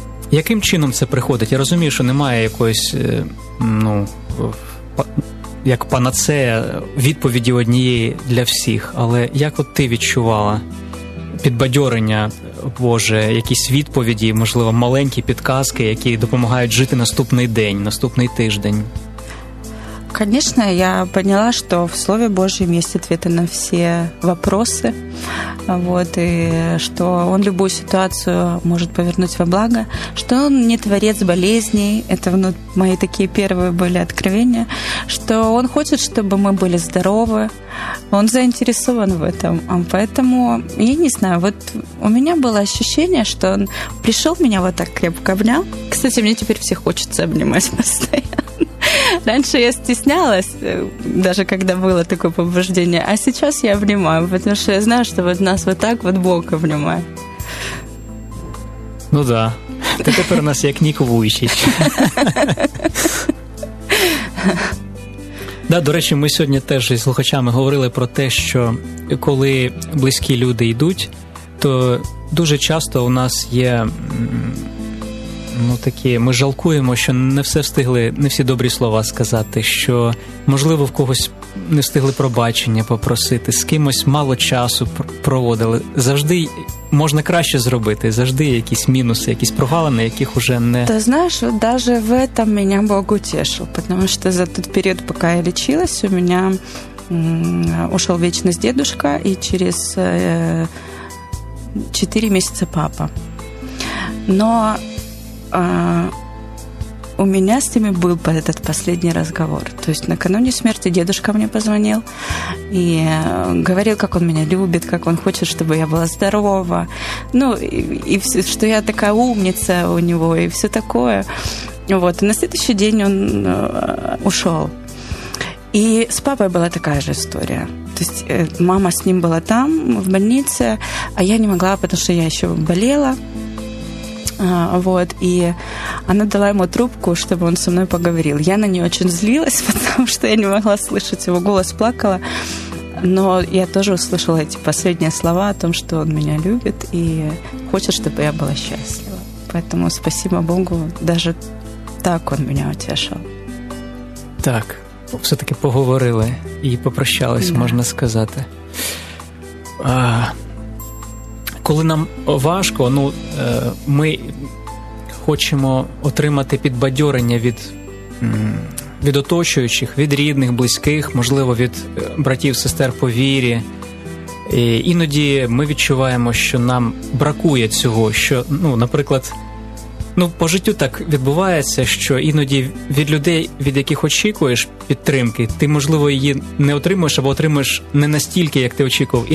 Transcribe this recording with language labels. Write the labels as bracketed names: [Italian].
[Ukrainian] Яким чином це приходить? Я розумію, що немає якоїсь, ну, як панацея, відповіді однієї для всіх. Але як от ти відчувала підбадьорення Боже, якісь відповіді, можливо, маленькі підказки, які допомагають жити наступний день, наступний тиждень? [Russian] Конечно, я поняла, что в Слове Божьем есть ответы на все вопросы, вот, и что Он любую ситуацию может повернуть во благо, что Он не творец болезней, это, ну, мои такие первые были откровения, что Он хочет, чтобы мы были здоровы, Он заинтересован в этом, поэтому, я не знаю, вот у меня было ощущение, что Он пришел меня вот так крепко обнял, кстати, мне теперь все хочется обнимать постоянно. Раньше я стеснялась, даже когда было такое побуждение. А сейчас я обнимаю, потому что я знаю, что вот нас вот так вот Бог обнимает. Ну да, ты теперь у нас как Ник Вуйчич. [Ukrainian] Да, до речі, ми сьогодні теж із слухачами говорили про те, що коли близькі люди йдуть, то дуже часто у нас є... Ну, такі, ми жалкуємо, що не все встигли, не всі добрі слова сказати, що, можливо, в когось не встигли пробачення попросити, з кимось мало часу проводили. Завжди можна краще зробити, завжди якісь мінуси, якісь прогалини, яких уже не... Та знаєш, навіть в цьому мене Бог утішив, тому що за той період, поки я лічилась, у мене ушов вічність дідусь, і через 4 місяці папа. [Russian] Но у меня с ними был этот последний разговор. То есть накануне смерти дедушка мне позвонил и говорил, как он меня любит, как он хочет, чтобы я была здорова. Ну, и все, что я такая умница у него и все такое. Вот. И на следующий день он ушел. И с папой была такая же история. То есть мама с ним была там, в больнице, а я не могла, потому что я еще болела. Вот, и она дала ему трубку, чтобы он со мной поговорил. Я на нее очень злилась, потому что я не могла слышать его голос, плакала. Но я тоже услышала эти последние слова о том, что он меня любит и хочет, чтобы я была счастлива. Поэтому спасибо Богу, даже так он меня утешил. [Ukrainian] Так, все-таки поговорили і попрощались, да. Можна сказати. Коли нам важко, ну, ми хочемо отримати підбадьорення від, від оточуючих, від рідних, близьких, можливо, від братів, сестер по вірі. І іноді ми відчуваємо, що нам бракує цього, що, ну, наприклад, ну, по життю так відбувається, що іноді від людей, від яких очікуєш підтримки, ти, можливо, її не отримуєш або отримуєш не настільки, як ти очікував.